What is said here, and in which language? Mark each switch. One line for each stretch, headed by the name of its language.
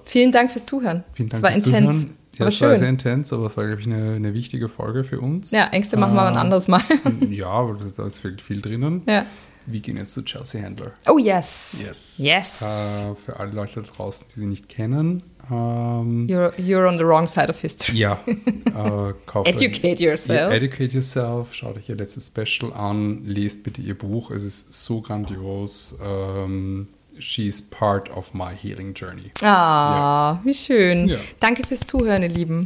German: Vielen Dank fürs Zuhören. Vielen Dank fürs Zuhören. Es war intens. Ja, aber es war sehr intens, aber es war, glaube ich, eine wichtige Folge für uns. Ja, Ängste machen wir ein anderes Mal. Ja, aber da ist wirklich viel drinnen. Ja. Wir gehen jetzt zu Chelsea Handler.
English: Oh, yes. Yes. Yes.
German: Für alle Leute da draußen, die sie nicht kennen.
English: You're on the wrong side of history.
German: Ja.
English: Educate yourself.
German: Schaut euch ihr letztes Special an. Lest bitte ihr Buch. Es ist so grandios.
English: She's part of my healing journey.
German: Ah, yeah. Wie schön. Yeah. Danke fürs Zuhören, ihr Lieben.